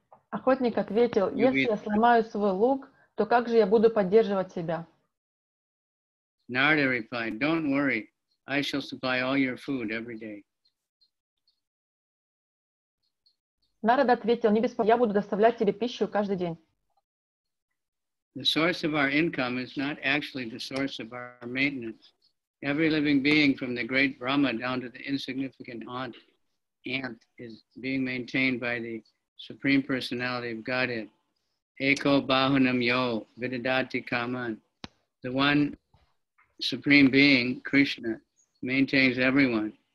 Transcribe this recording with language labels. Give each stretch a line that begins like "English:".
Russian: Охотник ответил: "Если я сломаю свой лук, то как же я буду поддерживать себя?"
English: Narada replied, "Don't worry. I shall supply all your food every day."
Russian: Нарада ответил: "Не беспокойся, я буду доставлять тебе пищу каждый день."
English: The source of our income is not actually the source of our maintenance. Every living being from the great Brahma down to the insignificant ant is being maintained by the Supreme Personality of Godhead.
Sanskrit: Eko bahunam yo vidadati kaman.
English: The one Supreme Being, Krishna, maintains everyone.